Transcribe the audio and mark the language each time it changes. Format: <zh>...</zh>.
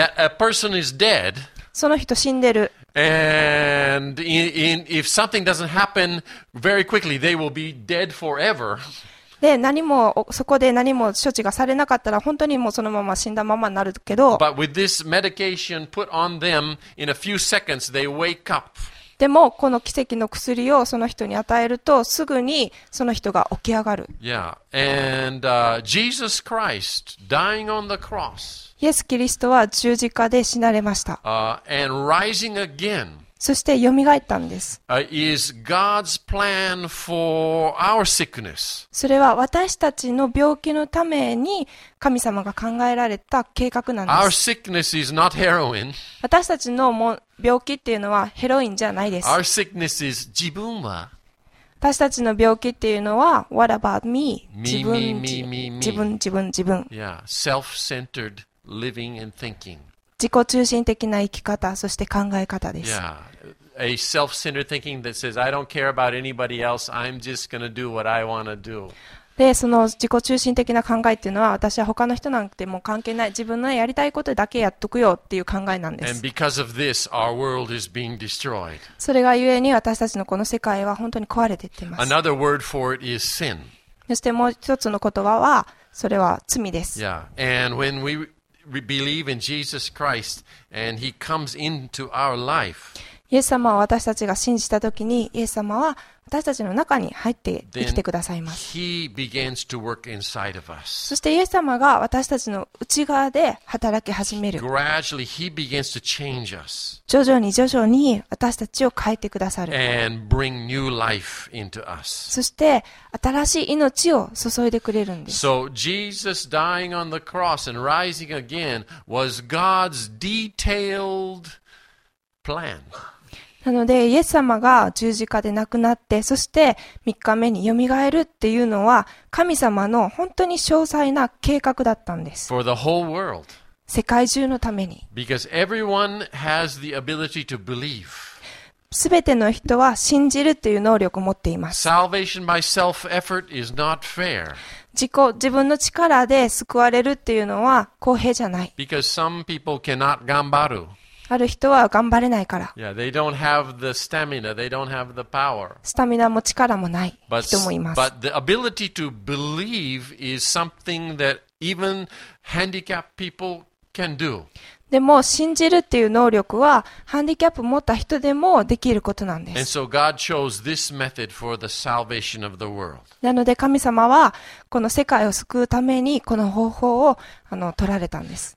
<en>That a person is dead.</en> <ja>その人死んでる。</ja> <en>And if something doesn't happen very quickly, they will be dead forever.</en> <ja>で何もそこで何も処置がされなかったら本当にもうそのまま死んだままになるけど。</ja> <en>But with this medication put on them, in a few seconds they wake up.</en> <ja>でもこの奇跡の薬をその人に与えるとすぐにその人が起き上がる。</ja> <en>Yeah. And, Jesus Christ dying on the cross.</en> <ja>イエス・キリストは十字架で死なれました。</ja> <en>And rising again.</en> <ja>そして蘇ったんです。</ja> <en>Is God's plan for our sickness.</en> <ja>それは私たちの病気のために神様が考えられた計画なんです。</ja> <en>Our sickness is not heroin.</en> <ja>私たちのも病気っていうのはヘロインじゃないです。</ja> <en>Our sickness is</en> <ja>自分は。私たちの病気っていうのは</ja> <en>What about me?</en> <ja>自分。</ja> <en>Yeah, self-centered living and thinking.</en> <ja>自己中心的な生き方、そして考え方です。</ja> <en>Yeah, a self-centered thinking that says I don't care about anybody else. I'm just gonna do what I wanna do.</en> <ja>で、その自己中心的な考えっていうのは、私は他の人なんてもう関係ない。自分のやりたいことだけやっとくよっていう考えなんです。</ja> <en>And because of this, our world is being destroyed.</en> <ja>それがゆえに私たちのこの世界は本当に壊れていっています。</ja> <en>Another word for it is sin.</en> <ja>そしてもう一つの言葉は、それは罪です。</ja> <en>Yeah. And when we believe in Jesus Christ and He comes into our life,</en> <ja>イエス様は私たちが信じたときに、イエス様は私たちの中に入って生きてくださいます。</ja> <en>He begins to work inside of us.</en> <ja>そしてイエス様が私たちの内側で働き始める。</ja> <en>Gradually, he begins to change us.</en> <ja>徐々に私たちを変えてくださる。</ja> <en>And bring new life into us.</en> <ja>そして新しい命を注いでくれるんです。</ja> <en>So Jesus dying on the cross and rising again was God's detailed plan.</en> <ja>なのでイエス様が十字架で亡くなって、そして3日目に蘇るっていうのは神様の本当に詳細な計画だったんです。</ja> <en>For the whole world.</en> <ja>世界中のために。</ja> <en>Because everyone has the ability to believe.</en> <ja>すべての人は信じるっていう能力を持っています。</ja> <en>Salvation by self-effort is not fair.</en> <ja>自分の力で救われるっていうのは公平じゃない。</ja> <en>Because some people cannot 頑張る。</en> <ja>ある人は頑張れないから。</ja> <en>Yeah, they don't have the stamina, they don't have the power.</en> <ja>スタミナも力もない人もいます。</ja> <en>But the ability to believe is something that even handicapped people can do.</en> <ja>でも信じるっていう能力はハンディキャップ持った人でもできることなんです。</ja> <en>And so God chose this method for the salvation of the world.</en> <ja>なので神様はこの世界を救うためにこの方法を取られたんです。</ja>